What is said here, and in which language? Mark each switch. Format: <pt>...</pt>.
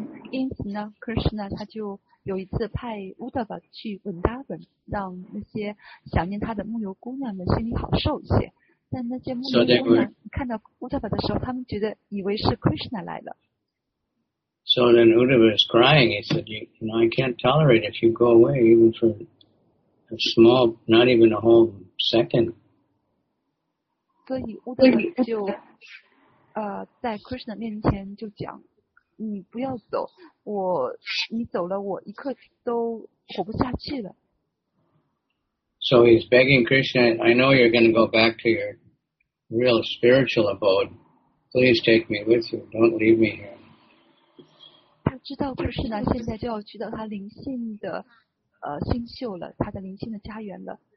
<zh>因此呢 ，Krishna 他就有一次派 Uddhava 去 Vrindavan， 让那些想念他的牧牛姑娘们心里好受一些。但那些牧牛姑娘看到 Uddhava 的时候，他们觉得以为是 Krishna 来了。</zh> <en>So then Uddhava is crying. He said, "You know, I can't tolerate if you go away, even for a small, not even a whole second."</en> <zh>所以乌德巴就在 Krishna 面前就讲你不要走我你走了我一刻都活不下去了。</zh> <en>So he's begging Krishna, I know you're going to go back to your real spiritual abode. Please take me with you. Don't leave me here.</en> <zh>他知道 Krishna 现在就要去到他灵性的星宿了他的灵性的家园了。</zh>